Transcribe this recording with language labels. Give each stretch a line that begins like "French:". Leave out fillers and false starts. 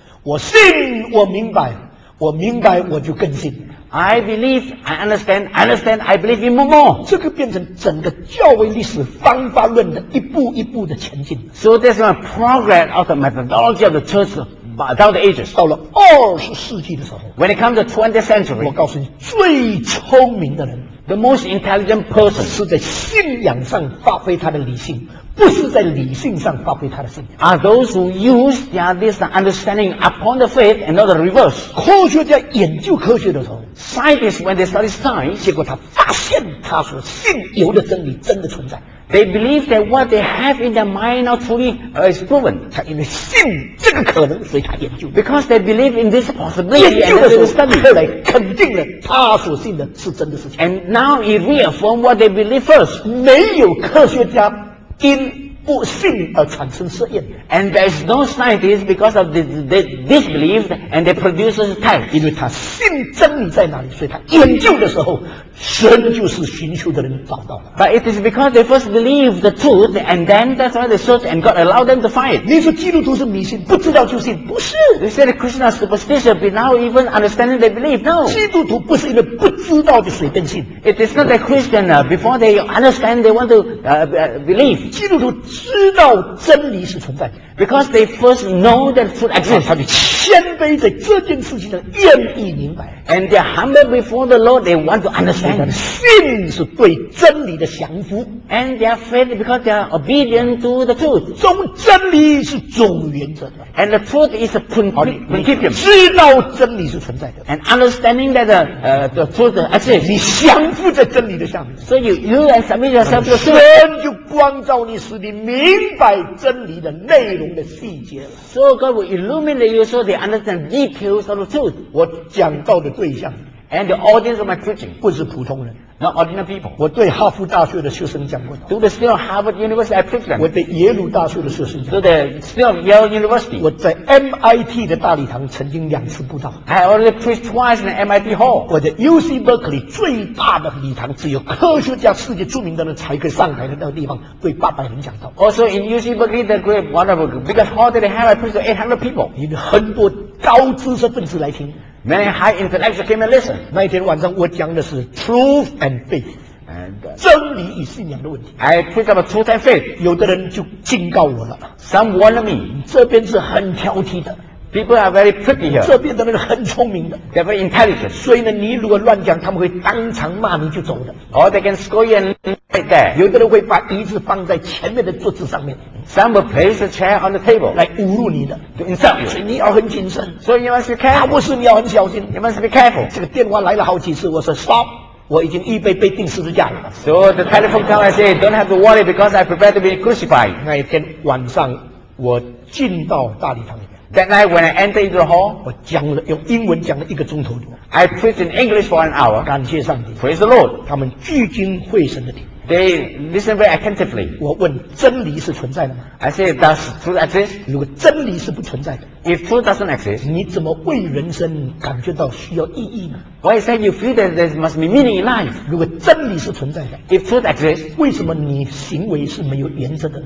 Chinese: 我信，我明白，我明白，我就更信。
English: I believe, I understand, understand, I believe even more.
Chinese: 这个变成整个教会历史方法论的一步一步的前进。
English: So there's a progress of the methodology of the church down the ages.
Chinese: 到了20世纪的时候
English: ，When it comes to 20th century,
Chinese: 我告诉你，最聪明的人。
English: The most intelligent person
Chinese: 是在信仰上发挥他的理性，不是在理性上发挥他的信仰。
English: Are those who use their this understanding upon the faith and not the reverse?
Chinese: 科学家研究科学的时候
English: ，scientists when they study science，
Chinese: 结果他发现他所信有的真理真的存在。
English: They believe that what they have in their mind now truly is proven.
Chinese: 他因为信这个可能，所以他研究。
English: Because they believe in this possibility, and they study.
Chinese: 后来肯定了他所信的是真的事情。
English: And now he reaffirmed what they believe first.
Chinese: 没有科学家因不信而产生实验。
English: And there is no scientist because of this disbelief and they produce a test.
Chinese: 因为他信真理在哪里，所以他研究的时候，神就是寻求的人找到了。
English: But it is because they first believe the truth and then that's why they search and God allowed them to find.
Chinese: 你说基督徒是迷信，不知道就信，不是。
English: You say the Christians are superstitious, but now even understanding they believe. No.
Chinese: 基督徒不是因为不知道就随便信。
English: It is not that Christian before they understand they want to believe.
Chinese: 基督徒知道真理是存在的。
English: Because they first know that truth exists.
Chinese: 他们谦卑在这件事情上愿意明白。
English: And they are humble before the Lord, they want to understand.
Chinese: 他们信是对真理的降服。
English: And they are faith because they are obedient to the truth.
Chinese: 真理是总原则的。
English: And the truth is a principle.
Chinese: 知道真理是存在的。
English: And understanding that the truth exists.
Chinese: 你降服在真理的下面。
English: So you and submit yourself to the truth.
Chinese: 神就光照你使你明白真理的内容。
English: So God will illuminate you so they understand details of the truth.
Chinese: 我讲到的对象
English: And the audience of my preaching
Chinese: 不是普通人
English: Not ordinary people
Chinese: 我对哈佛大学的学生讲过
English: To the still Harvard University I preach them
Chinese: 我对耶鲁大学的学生讲过
English: To the still Yale University
Chinese: 我在 MIT 的大礼堂曾经两次布道
English: I already preached twice in the MIT hall
Chinese: 我在 UC Berkeley 最大的礼堂只有科学家世界著名的人才可以上台的那个地方对八百人讲道
English: Also in UC Berkeley the great wonderful biggest hall that they have I preached to 800 people
Chinese: 有很多高知识分子来听
English: Many high intellectuals came and listened.
Chinese: 那一天晚上我讲的是
English: truth and faith,
Chinese: 真理与信仰的问题。
English: I preached about truth and faith.
Chinese: 有的人就警告我了。
English: Some warned me.
Chinese: 这边是很挑剔的。
English: People are very pretty here.
Chinese: 这边的人很聪明的。
English: They're very intelligent.
Chinese: 所以呢，你如果乱讲，他们会当场骂你就走的。
English: Or they can scold you and leave there.
Chinese: 有的人会把椅子放在前面的桌子上面。
English: Some will place a chair on the table
Chinese: 来侮辱你的
English: to insult you
Chinese: 所以你要很谨慎
English: so you must be careful
Chinese: 他不是你要很小心
English: you must be careful
Chinese: 这个电话来了好几次我说 stop 我已经预备被钉十字架了
English: so the telephone call I say don't have to worry because I prepared to be crucified
Chinese: 那一天晚上我进到大礼堂里面
English: that night when I entered into the hall
Chinese: 我讲了用英文讲了一个钟头多
English: I preached in English for an hour
Chinese: 感谢上帝
English: praise the Lord
Chinese: 他们聚精会神的听
English: They listen very attentively.
Chinese: 我问真理是存在的吗
English: I said, does truth exist?
Chinese: 如果真理是不存在的
English: If truth doesn't exist,
Chinese: 你怎么为人生感觉到需要意义呢
English: Why is that you feel that there must be meaning in life?
Chinese: 如果真理是存在的
English: If truth exists,
Chinese: 为什么你行为是没有原则的